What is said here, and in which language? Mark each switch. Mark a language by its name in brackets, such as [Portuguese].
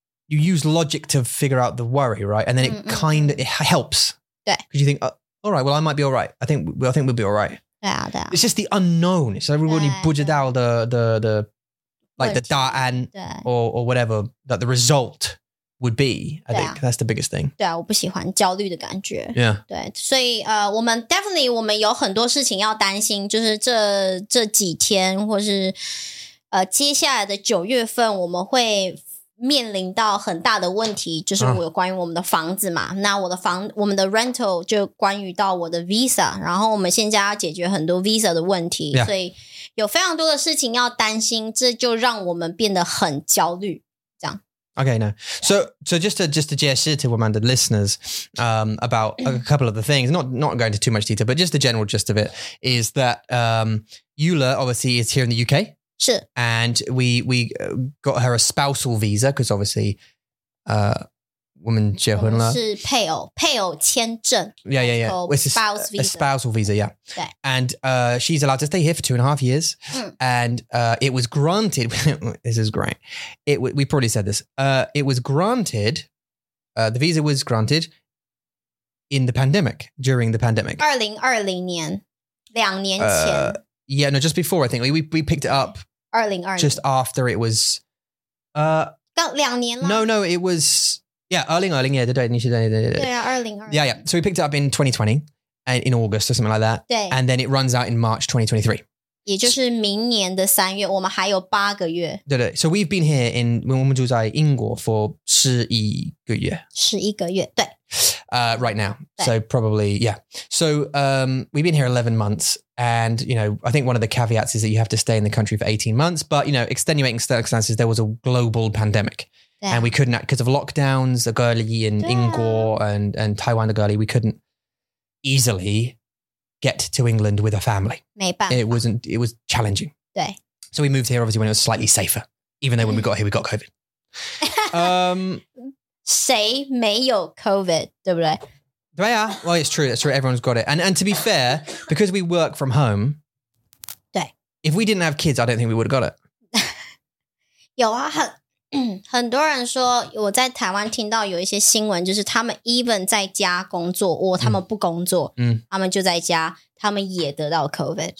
[English] You use logic to figure out the worry, right? And then it kind of, it helps. [Chinese] 对。 [English] Because you think,、oh, all right, well, I might be all right. I think we'll be all right. [Chinese] 对啊对啊。 [English] It's just the unknown. It's like, [Chinese] 如果你不知道 [English] the, like the [Chinese] 答案 [English] or whatever, that the result would be, I think that's the biggest thing. [Chinese] 对啊我不喜欢焦虑的感觉。 [English] Yeah. [Chinese] 对。所以、我们 definitely, 我们有很多事情要担心就是这几天或是、接下来的九月份我们会面临到很大的问题就是我有关于我们的房子嘛、那我们的 rental 就关于到我的 visa 然后我们现在要解决很多 visa 的问题、 [English] yeah. [Chinese] 所以有非常多的事情要担心这就让我们变得很焦虑这样 [English] OK now So just to [Chinese] 解释 [English] to [Chinese] 我们的 [English] listeners、about a couple of the things not going into too much detail but just the general gist of it is that、Eula obviously is here in the UK Sure. And we got her a spousal visa because obviously, [Chinese] 我们结婚了是配偶签证 [English] Yeah. It's spouse visa. A spousal visa, yeah. [Chinese] 对 [English] And she's allowed to stay here for 2.5 years.、嗯、 and it was granted. this is great. We probably said this. It was granted. The visa was granted in the pandemic during the pandemic. [Chinese] 2020年两年前。 [English] Yeah, no, just before, I think. We picked it up 2020. Just after it was... [Chinese] 两年了 [English] No, it was... Yeah, 2020, yeah. [Chinese] 对, 你是, 对, 对, 对, 对, 对, 2020. [English] Yeah, yeah. So we picked it up in 2020, and in August or something like that. [Chinese] 对. [English] And then it runs out in March 2023. [Chinese] 也就是明年的三月,我们还有八个月。 [English] 对对。So we've been here in... [Chinese] 我们住在英国 [English] for [Chinese] 11个月。 11个月,对。 [English] Right now. So probably, yeah. So we've been here 11 months. And, you know, I think one of the caveats is that you have to stay in the country for 18 months. But, you know, extenuating circumstances, there was a global pandemic. Yeah. And we couldn't, because of lockdowns, the girly in Ingor and Taiwan, the girly, we couldn't easily get to England with a family. [Chinese] 没办法. [English] It was challenging. [Chinese] 对. [English] So we moved here, obviously, when it was slightly safer. Even though when we got here, we got COVID. [Chinese] 谁没有 COVID, 对不对? [English] Yeah, well, it's true. That's true. Everyone's got it. And to be fair, because we work from home, [Chinese] 对, [English] if we didn't have kids, I don't think we would have got it. [Chinese] 有啊，很多人说我在台湾听到有一些新闻，就是他们 even 在家工作，或他们不工作，他们就在家，他们也得到 COVID.